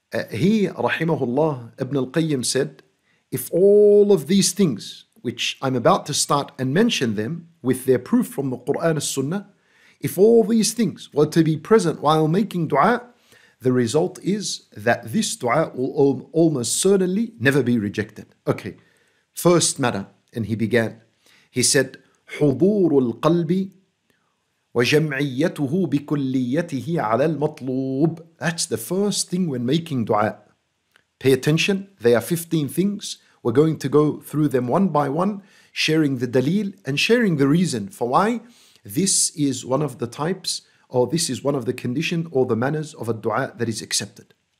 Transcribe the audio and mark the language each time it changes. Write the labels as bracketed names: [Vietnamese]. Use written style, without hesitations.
[English] He, rahimahullah, Ibn al-Qayyim said, if all of these things, which I'm about to start and mention them with their proof from the Qur'an and Sunnah, if all these things were to be present while making dua, the result is that this dua will almost certainly never be rejected. Okay, first matter, and he began. He said, [Arabic] حضور القلب وجمعيته بكليته على المطلوب. [English] That's the first thing when making dua. Pay attention, there are 15 things. We're going to go through them one by one, sharing the dalil and sharing the reason for why this is one of the types, or this is one of the condition or the manners of a dua that is accepted.